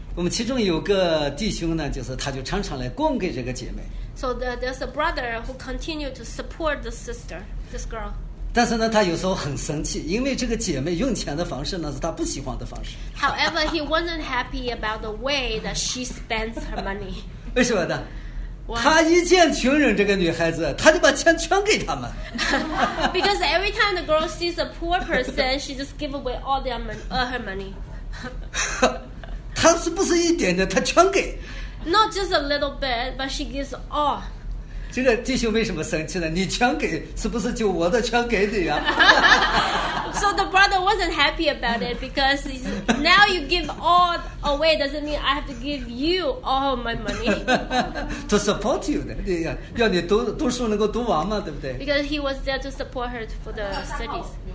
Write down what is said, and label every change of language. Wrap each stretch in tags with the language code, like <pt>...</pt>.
<zh>我们其中有个弟兄呢，就是他就常常来供给这个姐妹。</zh> <en>So there's a brother who continued to support the sister, this girl.</en> <zh>但是呢，他有时候很生气，因为这个姐妹用钱的方式呢，是他不喜欢的方式。</zh> <en>However, he wasn't happy about the way that she spends her money.</en> <zh>为什么呢？他一见穷人这个女孩子，他就把钱全给他们。</zh> <en>Because every time the girl sees a poor person, she just give away all their her money.</en> <zh>他是不是一点点？他全给。</zh> <en>Not just a little bit, but she gives all.</en> <zh>这个弟兄为什么生气呢？你全给，是不是就我的全给你啊？</zh> <en>So the brother wasn't happy about it because now you give all away doesn't mean I have to give you all my money. To support you,</en> <zh>对呀，要你读书能够读完嘛，对不对？</zh> <en>Because he was there to support her for the studies.</en>